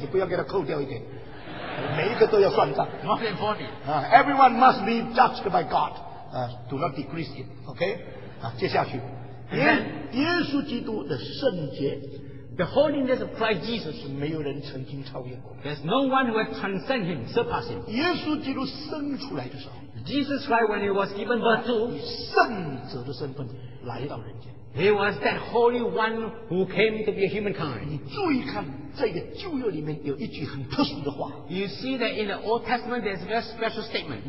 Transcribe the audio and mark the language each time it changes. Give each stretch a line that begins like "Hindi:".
Chinese: 你不要给他扣掉一点。每一个都要算账。
English: More than 40. Everyone must be judged by God. Do not be Christian. Okay?
Chinese: 接下去。耶稣基督的圣洁,
English: the holiness of Christ Jesus,
Chinese: 没有人曾经超越过。
English: There's no one who has transcended him, surpassed him.
Chinese: 耶稣基督生出来的时候,
English: Jesus Christ, when he was given birth to,
Chinese: 圣者的身份来到人间,
English: he was that holy one who came to be a humankind.
Chinese: 你注意看,这个旧约里面有一句很特殊的话,
English: you see that in the Old Testament there's a very special statement.